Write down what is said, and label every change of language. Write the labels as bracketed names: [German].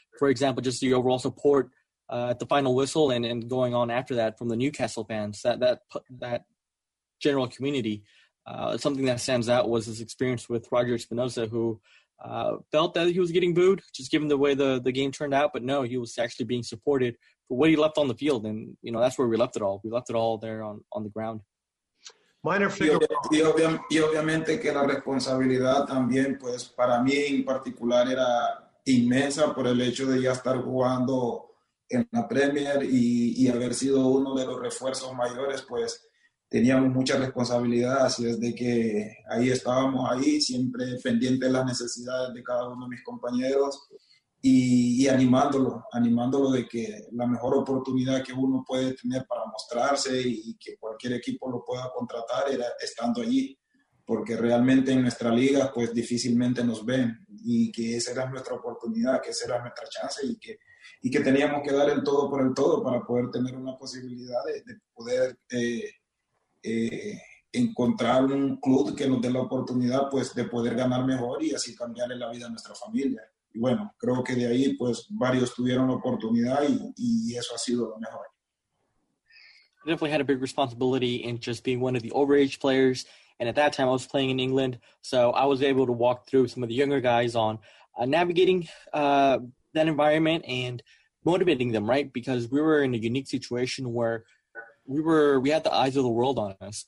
[English] For example, just the overall support at the final whistle and going on after that from the Newcastle fans, that general community. Something that stands out was this experience with Roger Espinosa, who felt that he was getting booed, just given the way the game turned out. But no, he was actually being supported for what he left on the field. And, you know, that's where we left it all. We left it all there on the ground. Minor figure. [Spanish] Y obviamente que la responsabilidad también, pues, para mí en particular era inmensa por el hecho de ya estar jugando en la Premier y haber sido uno de los refuerzos mayores, pues, teníamos mucha responsabilidad, así es de que ahí estábamos ahí, siempre pendientes de las necesidades de cada uno de mis compañeros y animándolo de que la mejor oportunidad que uno puede tener para mostrarse y que cualquier equipo lo pueda contratar era estando allí, porque realmente en nuestra liga pues difícilmente nos ven y que esa era nuestra oportunidad, que esa era nuestra chance y que teníamos que dar el todo por el todo para poder tener una posibilidad de poder encontrar un club que nos dé la oportunidad pues de poder ganar mejor y así cambiarle la vida a nuestra familia. Y bueno, creo que de ahí pues varios tuvieron la oportunidad y eso ha sido lo mejor. [English] I definitely had a big responsibility in just being one of the overage players, and at that time I was playing in England, so I was able to walk through some of the younger guys on navigating that environment and motivating them, right? Because we were in a unique situation where we had the eyes of the world on us.